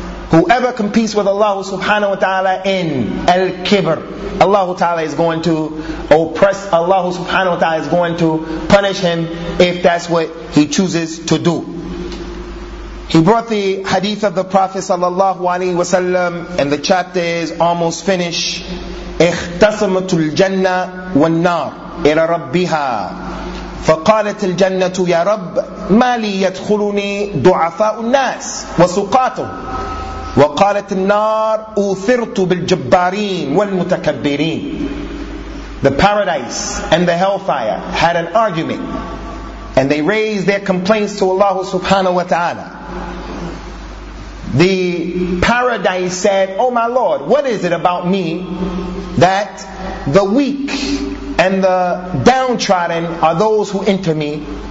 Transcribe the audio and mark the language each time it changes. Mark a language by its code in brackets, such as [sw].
[en] Whoever competes with Allah subhanahu wa ta'ala in al-kibr, Allah ta'ala is going to oppress Allah subhanahu wa ta'ala is going to punish him if that's what he chooses to do. He brought the hadith of the Prophet sallallahu alaihi wasallam, and the chapter is almost finished. [ar] اختصمت الجنة والنار إلى ربها فقالت الجنة يا رب ما لي يدخلني ضعفاء الناس وسقاتهم وقالت النار أوثرت بالجبارين والمتكبرين. [en] The paradise and the hellfire had an argument, and they raised their complaints to Allah subhanahu wa ta'ala. The paradise said, "Oh my Lord, what is it about me that the weak and the downtrodden are those who enter me?